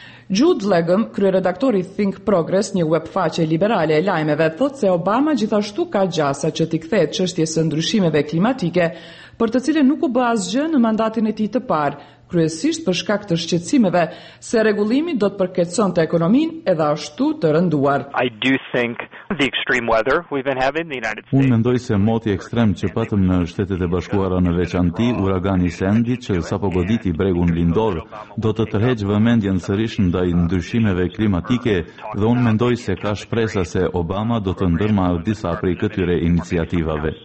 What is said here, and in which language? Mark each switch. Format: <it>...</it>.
<sq>Jude Legum, kryeredaktori Think Progress, një webfaqe liberale e lajmeve, thot se Obama gjithashtu ka gjasa që t'i kthehet çështjes së ndryshimeve klimatike, për të cilën nuk u bë asgjë në mandatin e tij të parë, kryesisht për shkak të shqetësimeve se rregullimi do të përkeqësonte ekonominë edhe ashtu të rënduar.</sq> <en>I do think the extreme weather we've been having in the United States.</en> <sq>Unë mendoj se moti ekstrem që patëm në Shtetet e Bashkuara në veçanti, uragani Sandy që sapo goditi bregun lindor, do të tërheq vëmendjen sërish ndaj ndryshimeve klimatike dhe unë mendoj se ka shpresa se Obama do të ndërmarrë disa prej këtyre iniciativave.</sq>